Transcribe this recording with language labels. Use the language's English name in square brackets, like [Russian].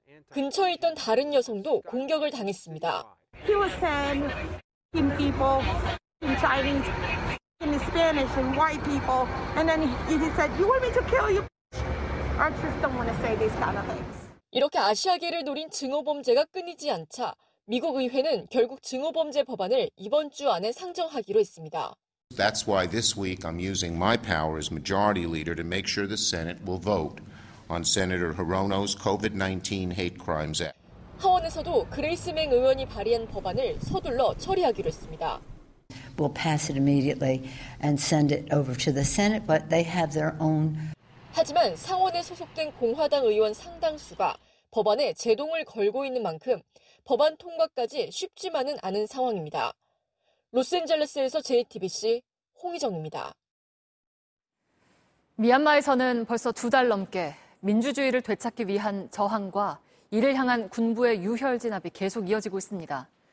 [Korean] 근처에 있던 다른 여성도 공격을 당했습니다. [English] He was saying in people, in Chinese, in Spanish, in white people, and then he said, "You want me to kill you?" I just don't want to say these kind of things. [Korean] 이렇게 아시아계를 노린 증오범죄가 끊이지 않자 미국 의회는 결국 증오범죄 법안을 이번 주 안에 상정하기로 했습니다. [English] That's why this week I'm using my power as majority leader to make sure the Senate will vote on Senator Hirono's COVID-19 hate crimes act. [Korean] 하원에서도 그레이스 맹 의원이 발의한 법안을 서둘러 처리하기로 했습니다. [English] We'll pass it immediately and send it over to the Senate, but they have their own. [Korean] 하지만 상원에 소속된 공화당 의원 상당수가 법안에 제동을 걸고 있는 만큼 법안 통과까지 쉽지만은 않은 상황입니다. 로스앤젤레스에서 JTBC 홍희정입니다. 미얀마에서는 벌써 두 달 넘게 민주주의를 되찾기 위한 저항과 이를 향한 군부의 유혈 진압이 계속 이어지고 있습니다.